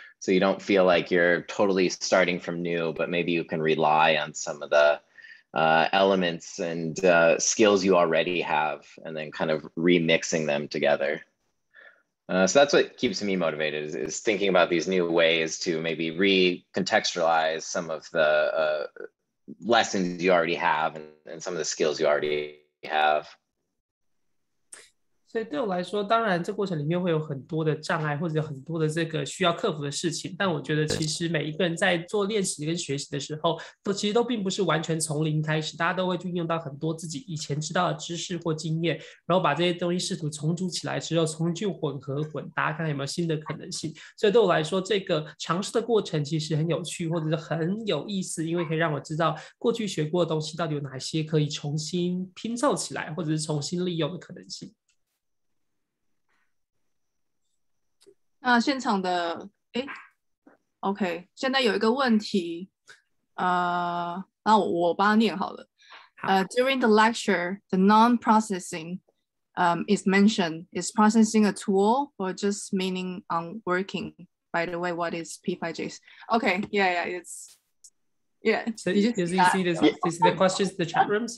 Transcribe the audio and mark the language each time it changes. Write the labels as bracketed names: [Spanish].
[English] So you don't feel like you're totally starting from new, but maybe you can rely on some of the elements and skills you already have and then kind of remixing them together. So that's what keeps me motivated is thinking about these new ways to maybe recontextualize some of the lessons you already have and some of the skills you already have. [Chinese] 所以对我来说，当然这过程里面会有很多的障碍或者很多的这个需要克服的事情，但我觉得其实每一个人在做练习跟学习的时候都其实都并不是完全从零开始，大家都会运用到很多自己以前知道的知识或经验，然后把这些东西试图重组起来之后重新混合混搭，看看有没有新的可能性。所以对我来说这个尝试的过程其实很有趣或者是很有意思，因为可以让我知道过去学过的东西到底有哪些可以重新拼凑起来或者是重新利用的可能性。那现场的哎 ，OK， 现在有一个问题，那我帮他念好了。 [English] During the lecture, the non-processing, is mentioned. Is processing a tool or just meaning on working? By the way, what is P5Js? Okay, yeah, it's yeah. So you see the questions in the chat rooms?